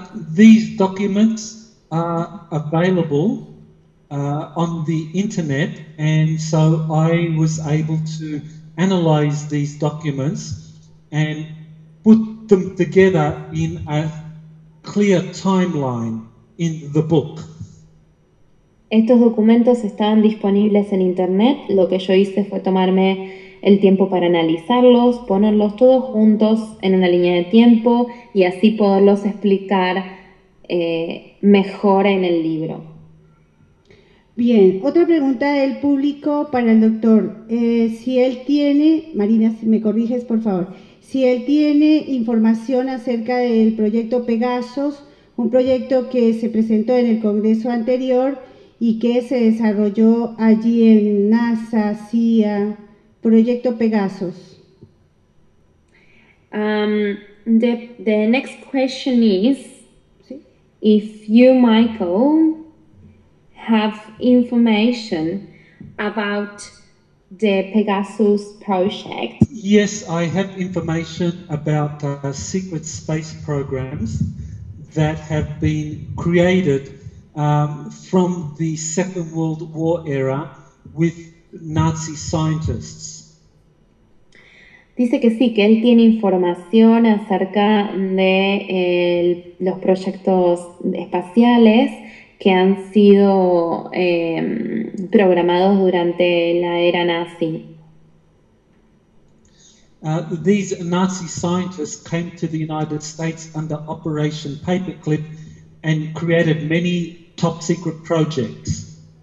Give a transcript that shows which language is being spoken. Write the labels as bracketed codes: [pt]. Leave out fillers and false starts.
[en] These documents are available on the internet, and so I was able to analyze these documents and put them together in a clear timeline in the book. [es] Estos documentos estaban disponibles en internet. Lo que yo hice fue tomarme el tiempo para analizarlos, ponerlos todos juntos en una línea de tiempo y así poderlos explicar mejora en el libro. Bien, otra pregunta del público para el doctor. Si él tiene, Marina, si me corriges, por favor, si él tiene información acerca del proyecto Pegasus, un proyecto que se presentó en el Congreso anterior y que se desarrolló allí en NASA, CIA, proyecto Pegasus. [en] The next question is, if you, Michael, have information about the Pegasus project. Yes, I have information about secret space programs that have been created from the Second World War era with Nazi scientists. [es] Dice que sí, que él tiene información acerca de los proyectos espaciales que han sido programados durante la era nazi. [en] These Nazi scientists came to the United States under Operation Paperclip and created many top secret projects.